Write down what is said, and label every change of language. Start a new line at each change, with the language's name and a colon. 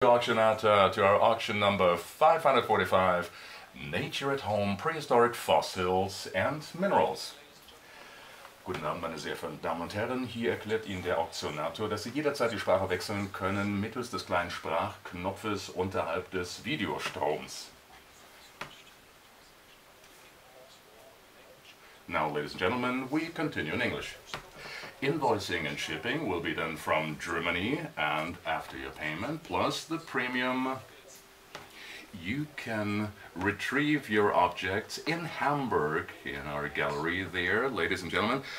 English: Auctionata to our auction number 545, Nature at Home, Prehistoric Fossils and Minerals.
German: Guten Abend, meine sehr verehrten Damen und Herren. Hier erklärt Ihnen der Auctionator, dass Sie jederzeit die Sprache wechseln können mittels des kleinen Sprachknopfes unterhalb des Videostroms.
English: Now, ladies and gentlemen, we continue in English. Invoicing and shipping will be done from Germany and after your payment, plus the premium. You can retrieve your objects in Hamburg in our gallery there, ladies and gentlemen.